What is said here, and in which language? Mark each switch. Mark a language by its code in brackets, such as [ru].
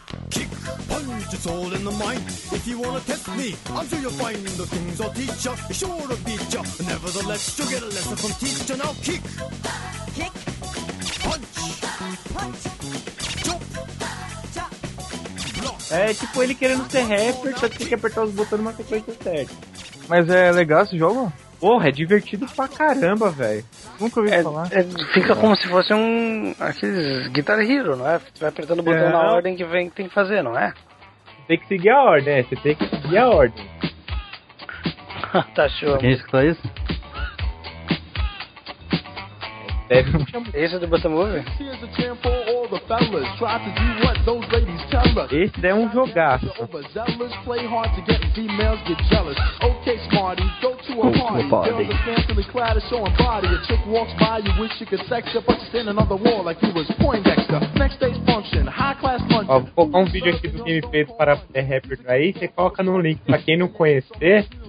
[en] Kick, punch, it's all in the mind. If you wanna test me, I'm sure you'll find the things I'll teach ya, sure to beat ya. Nevertheless, you'll get a lesson from teacher. Now kick, kick, punch, punch, jump. [pt] É tipo ele querendo ser rapper, só que tem que apertar os botões numa sequência certa. Mas é legal esse jogo? Porra, é divertido pra caramba, velho. Nunca ouvi falar. É, fica como se fosse um... aqueles Guitar Hero, não é? Você vai apertando o botão na ordem que vem, que tem que fazer, não é? Tem que seguir a ordem, é. Você tem que seguir a ordem. Tá show. Quem escutou isso? Esse é do Busha Move? [en] the fellas try to do what those ladies tell us. [pt] Esse daí é um jogaço. [en] Overzealous, play hard to get females get jealous. Okay, smarty, go to a party. Girls are fancily clad and showing body. A chick walks by, you wish you could sex her, but you're standing on the wall like you was Poindexter. Next day's function, high class function. [pt] Ó, vou colocar um vídeo aqui do game feito para The Rapper aí, você coloca no link pra quem não conhecer.